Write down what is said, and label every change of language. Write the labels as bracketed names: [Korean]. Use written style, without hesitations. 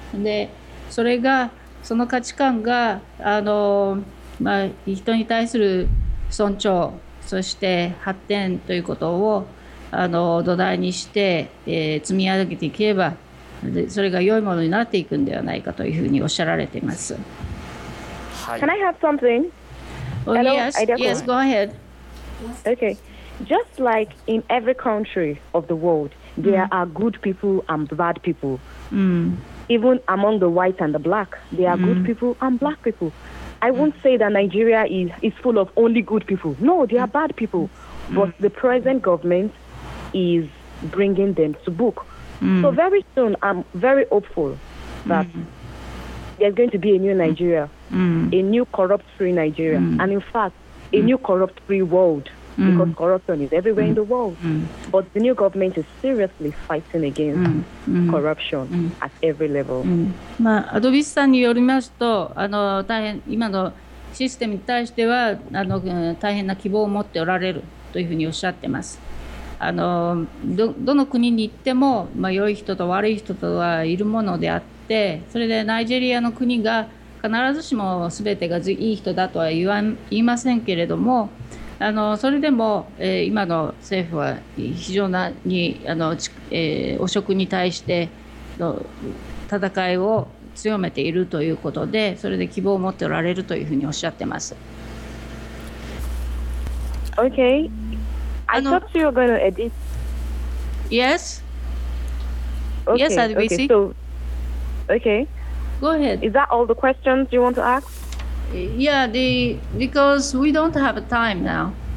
[Japanese] でそれがその価値観がまあ、人に対する尊重そして発展ということを土台にして、積み上げていけばそれが良いものになっていくんではないかというふうにおっしゃられています。 [English] Can I have something? Well, yes, yes, go ahead. Okay, just like in every country of the world there are good people and bad people even among the white and the black there are good people and black peopleI won't say that Nigeria is full of only good people. No, they are bad people. But the present government is bringing them to book. So very soon, I'm very hopeful that there's going to be a new Nigeria, a new corrupt-free Nigeria, and in fact, a new corrupt-free world, because corruption is everywhere in the world. But the new government is seriously fighting against corruption at every level. [Japanese] まあ、アドビスさんによりますと、大変今のシステムに対しては大変な希望を持っておられるというふうにおっしゃってます。どの国に行っても、まあ、良い人と悪い人とはいるものであって、それでナイジェリアの国が必ずしも全てが良い人だとは言いませんけれども、それでも、今の政府は非常に汚職に対しての戦いを強めているということでそれで希望を持っておられるというふうにおっしゃってます。 [English] OK I thought you were going to edit Yes okay, Yes, I'll be see OK Go ahead Is that all the questions you want to ask? Yeah, because we don't have time now.